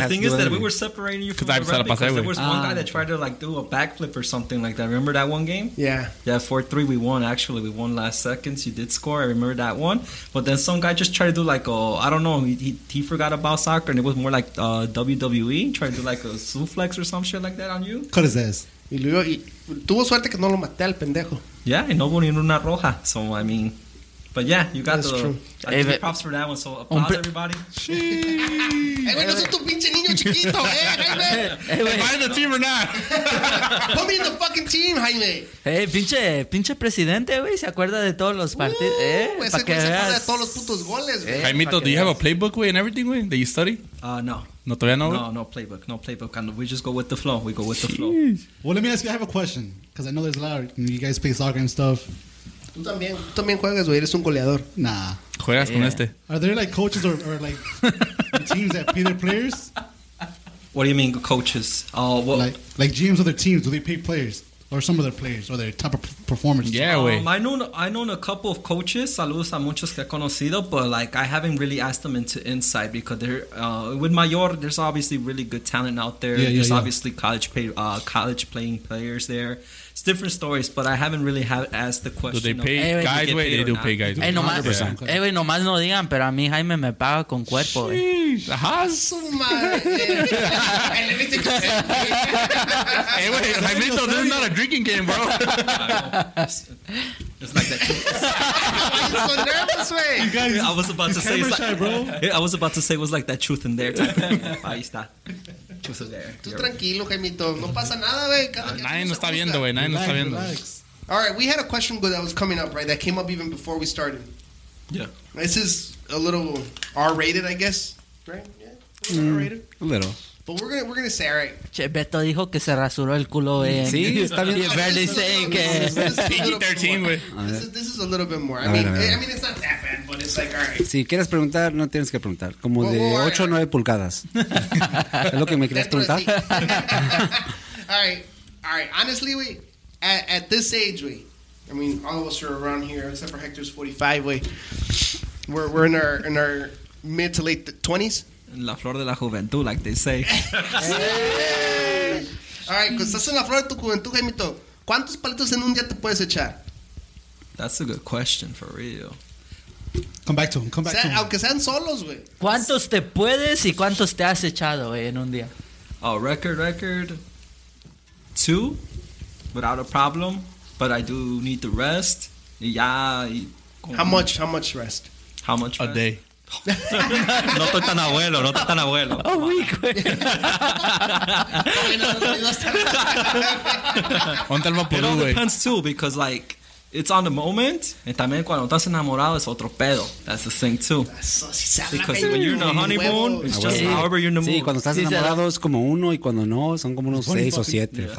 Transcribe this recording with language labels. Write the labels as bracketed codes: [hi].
[en] The thing is that we were separating you from the ref because there was one guy that tried to, like, do a backflip or something like that. Remember that one game? Yeah, 4-3, we won, actually. We won last seconds. You did score. I remember that one. But then some guy just tried to do, like, he forgot about soccer, and it was more like WWE. Tried to do, like, a suplex or some shit like that on you. Cut his ass. [es] Y luego, tuvo suerte que no lo maté al pendejo. Yeah, y no hubo ni una roja. [en] So, I mean, but yeah, you got that's the true. Hey, props for that one. So, applause, everybody. [es] Hey, wey, no soy tu pinche niño chiquito, Jaime. [en] Am I in the team or not? Put me in the fucking team, Jaime. [es] Hey, pinche presidente, wey, se acuerda de todos los partidos. Ese que se acuerda de todos los putos goles, wey. [en] Jaimito, do you have a playbook, wey, and everything, wey, that you study? No. [es] No, todavía no. [en] No playbook. And we just go with the flow. We go with the flow. Well, let me ask you. I have a question because I know there's a lot of you guys play soccer and stuff. [es] Tú también juegas, güey. Eres un goleador. [en] Nah. [es] Juegas con este. [en] Are there like coaches or like teams that pay their players? What do you mean, coaches? Like GMs of their teams? Do they pay players? Or some of their players, or their top performers. Yeah, wey. I known a couple of coaches. [es] Saludos a muchos que he conocido. [en] But, like, I haven't really asked them into insight because they're... with Mayor, there's obviously really good talent out there. Yeah, there's obviously college-playing players there. It's different stories, but I haven't really asked the question. Do they pay guys, wey? They do pay guys. 100%. [es] Hey, wey, nomás no digan, pero a mí Jaime me paga con cuerpo. [en] Sheesh. [es] Ajá, su madre. [en] Hey, wey, Jaime, this is not a drinking game, bro. It's like that truth. I'm so nervous, wey. You guys, I was about to say, it's like, bro. I was about to say it was like that truth in there. [es] Ahí está. Tú tranquilo, Jaimito. No pasa nada, güey. Nadie nos está viendo, güey. Nadie nos está viendo. [en] All right, we had a question that was coming up, right? That came up even before we started. Yeah. This is a little R-rated, I guess. Right? Yeah. R-rated. A little. But we're gonna say, all right. [es] Che, Beto dijo que se rasuró el culo, güey. Sí, está bien. Y Verde dice que... [en] PG-13, güey. This is a little bit more. I mean, it's not that bad, but it's like, all right. [es] Si quieres preguntar, no tienes que preguntar. Como de 8 o 9 pulgadas. Es lo que me querías preguntar. [en] All right. Honestly, güey, at this age, güey, I mean, all of us are around here, except for Hector's 45, güey. We're in our mid to late 20s. [es] La flor de la juventud, [en] like they say. All right, because [es] estás en la flor de tu juventud, Jaimito. ¿Cuántos palitos en un día te puedes echar? [en] That's a good question, for real. Come back to him. [es] Aunque sean solos, güey. ¿Cuántos te puedes y cuántos te has echado, güey, en un día? [en] Oh, record. 2, without a problem, but I do need to rest. How much rest? How much rest? A day. [es] No estoy tan abuelo, no estoy tan abuelo. [en] A week, güey. [es] Ponte el vapor, güey. [en] It depends too, because like it's on the moment. [es] Y también cuando estás enamorado es otro pedo. [en] That's the thing too. Because when you're in a honeymoon, it's just however you're in the mood. [es] Sí, cuando estás enamorado es como uno y cuando no son como unos 6 o 7.